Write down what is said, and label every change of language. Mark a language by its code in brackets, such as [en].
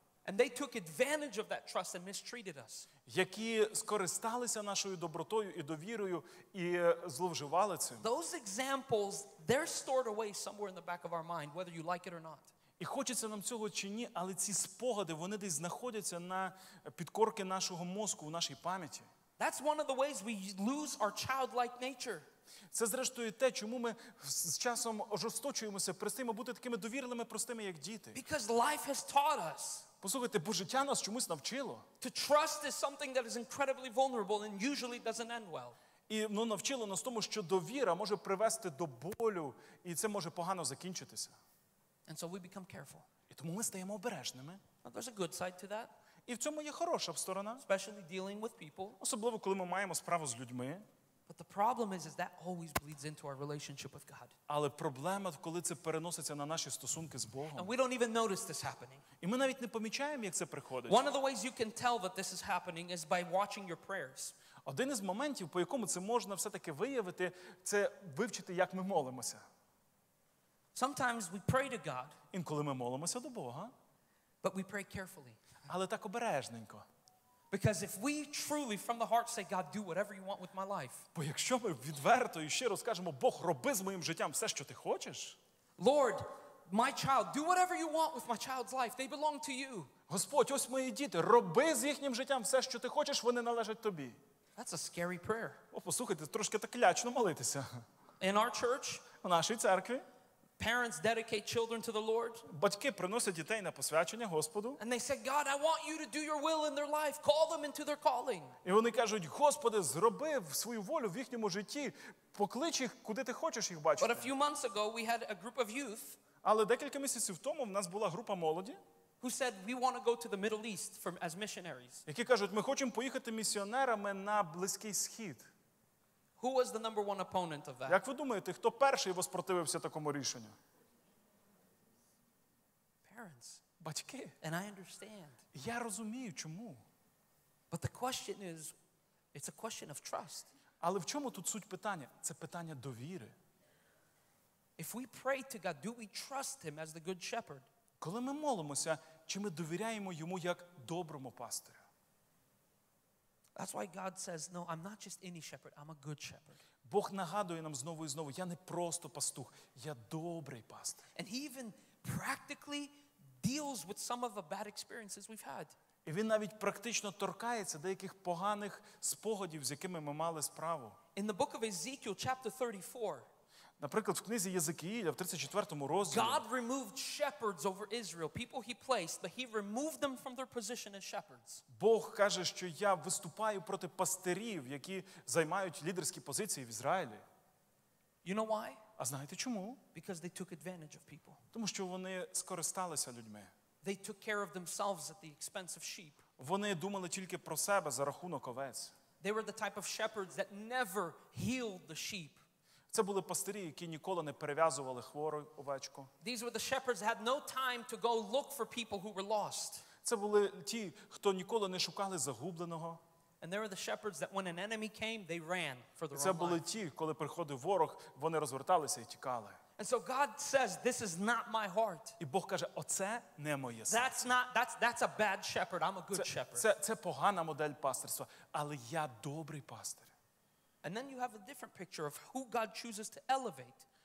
[en] And they took advantage of that trust and mistreated us. [uk] Які скористалися нашою добротою і довірою і зловживали цим. [en] Those examples, they're stored away somewhere in the back of our mind, whether you like it or not. [uk] І хочеться нам цього чи ні, але ці спогади, вони десь знаходяться на підкорці нашого мозку, у нашій пам'яті. [en] That's one of the ways we lose our childlike nature. [uk] Це, зрештою, те, чому ми з часом ожесточуємося, перестаємо бути такими довірливими, простими, як діти. [en] Because life has taught us. [uk] Послухайте, бо життя нас чомусь навчило. [en] To trust is something that is incredibly vulnerable and usually doesn't end well. [uk] І воно навчило нас тому, що довіра може привести до болю, і це може погано закінчитися. [en] And so we become careful. [uk] І тому ми стаємо обережними. [en] Now, there's a good side to that. [uk] І в цьому є хороша сторона. [en] Especially dealing with people. [uk] Особливо, коли ми маємо справу з людьми. [en] But the problem is that always bleeds into our relationship with God. [uk] Але проблема, коли це переноситься на наші стосунки з Богом. [en] And we don't even notice this happening. [uk] І ми навіть не помічаємо, як це приходить. [en] One of the ways you can tell that this is happening is by watching your prayers. [uk] Один із моментів, по якому це можна все-таки виявити, це вивчити, як ми молимося. [en] Sometimes we pray to God. [uk] Інколи ми молимося до Бога. [en] But we pray carefully. [uk] Але так обережненько. [en] Because if we truly from the heart say God do whatever you want with my life. [uk] Бо якщо ми відверто і щиро скажемо Бог роби з моїм життям все що ти хочеш. [en] Lord, my child, do whatever you want with my child's life. They belong to you. [uk] Господь, ось мої діти, роби з їхнім життям все що ти хочеш, вони належать тобі. [en] That's a scary prayer. [uk] О, послухайте, трошки так лячно молитися. [en] In our church? [uk] У нашій церкві? [en] Parents dedicate children to the Lord. [uk] Батьки приносять дітей на посвячення Господу. [en] And they say, God, I want you to do your will in their life. Call them into their calling. [uk] І вони кажуть: Господи, зроби свою волю в їхньому житті. Поклич їх, куди ти хочеш їх бачити. [en] But a few months ago we had a group of youth. [uk] Але декілька місяців тому в нас була група молоді. [en] Who said we want to go to the Middle East from as missionaries? [uk] Які кажуть: ми хочемо поїхати місіонерами на Близький Схід. [en] Who was the number one opponent of that? [uk] Як ви думаєте, хто перший воспротивився такому рішенню? [en] Parents. [uk] Батьки. [en] And I understand. [uk] Я розумію, чому. [en] But the question is, it's a question of trust. [uk] Але в чому тут суть питання? Це питання довіри. [en] If we pray to God, do we trust him as the good shepherd? [uk] Коли ми молимося, чи ми довіряємо йому як доброму пастирю? [en] That's why God says, no, I'm not just any shepherd, I'm a good shepherd. [uk] Бог нагадує нам знову і знову: я не просто пастух, я добрий пастир. [en] And he even practically deals with some of the bad experiences we've had. [uk] І він навіть практично торкається деяких поганих спогадів, з якими ми мали справу. [en] In the book of Ezekiel, chapter 34, [uk] наприклад, в книзі Єзекіїля, в 34-му розділі, [en] God removed shepherds over Israel, people he placed, but he removed them from their position as shepherds. [uk] Бог каже, що я виступаю проти пастирів, які займають лідерські позиції в Ізраїлі. [en] You know why? [uk] А знаєте чому? [en] Because they took advantage of people. [uk] Тому що вони скористалися людьми. [en] They took care of themselves at the expense of sheep. [uk] Вони думали тільки про себе за рахунок овець. [en] They were the type of shepherds that never healed the sheep. [uk] Це були пастирі, які ніколи не перев'язували хвору овечку. [en] These were the shepherds that had no time to go look for people who were lost. [uk] Це були ті, хто ніколи не шукали загубленого. [en] And there were the shepherds that when an enemy came, they ran for their own life. [uk] Це були ті, коли приходив ворог, вони розверталися і тікали. [en] And so God says, this is not my heart. [uk] І Бог каже: оце не моє серце. [en] That's a bad shepherd, I'm a good shepherd. [uk] Це погана модель пастирства, але я добрий пастир. [en] And then you have a different picture of who God chooses to elevate.